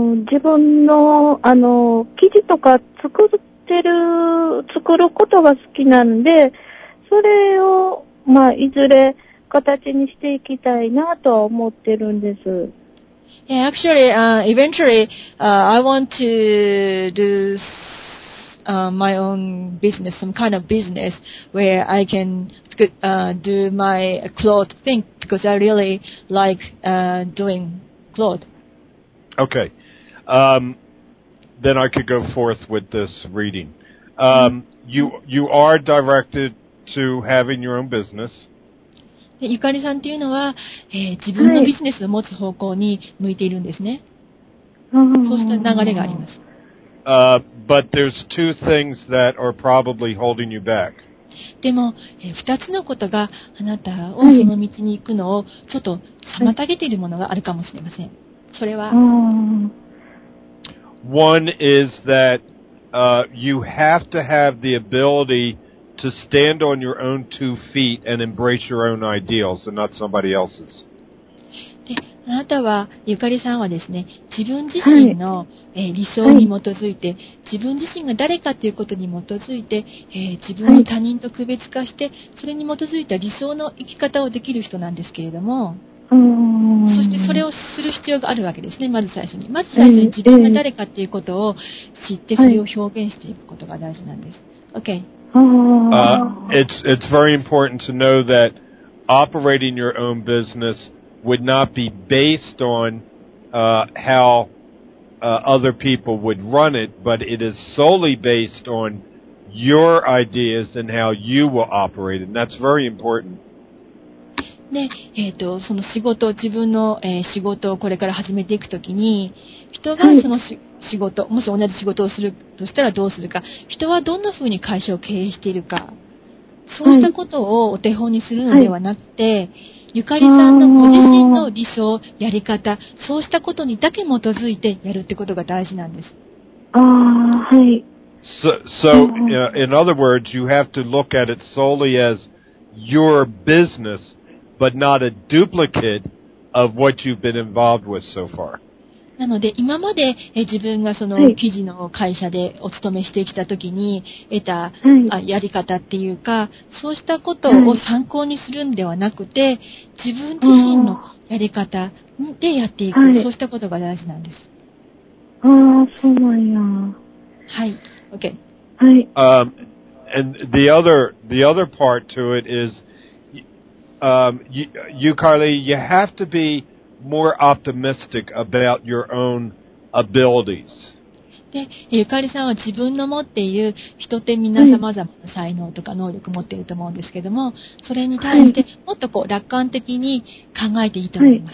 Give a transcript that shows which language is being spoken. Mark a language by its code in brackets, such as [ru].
[ja] 自分の、記事とか作ることが好きなんで、それを、まあ、いずれ形にしていきたいなとは思ってるんです。 [en] Yeah, actually, eventually, I want to do, my own business, some kind of business where I can, do my cloth thing because I really like, doing cloth. Okay. Then I could go forth with this reading. You are directed to having your own business. [ja] ゆかりさんというのは、自分のビジネスを持つ方向に向いているんですね。そうした流れがあります。 [en] But there's two things that are probably holding you back. [ja] でも、2つのことがあなたをその道に行くのをちょっと妨げているものがあるかもしれません。それは、 [en] One is that you have to have the ability to stand on your own two feet and embrace your own ideals and not somebody else's. [ja] あなたは、ゆかりさんはですね、自分自身の、はい、理想に基づいて、はい、自分自身が誰かということに基づいて、自分を他人と区別化して、はい、それに基づいた理想の生き方をできる人なんですけれども、そしてそれをする必要があるわけですね、まず最初に。まず最初に自分が誰かということを知って、それを表現していくことが大事なんです。 [en] OK。 It's very important to know that operating your own business would not be based on how other people would run it, but it is solely based on your ideas and how you will operate it. And that's very important. [ja] で、その仕事、自分の、仕事をこれから始めていくときに、人がその、はい、仕事、もし同じ仕事をするとしたらどうするか、人はどんなふうに会社を経営しているか、そうしたことをお手本にするのではなくて、はい、ゆかりさんのご自身の理想、やり方、そうしたことにだけ基づいてやるってことが大事なんです。はい。 [en] So, in other words, you have to look at it solely as your business. But not a duplicate of what you've been involved with so far. [ja] なので今まで自分がその記事の会社でお勤めしてきたときに得た、はい、やり方っていうかそうしたことを参考にするんではなくて自分自身のやり方でやっていく、はい、そうしたことが大事なんです。ああそうなんや。はい。OK。はい。 [en] And the other part to it is. You, Carly, you have to be more optimistic about your own abilities. [ja] で、ゆかりさんは自分の持っている人って皆さまざまな才能とか能力持っていると思うんですけども、それに対してもっとこう楽観的に考えていいと思います。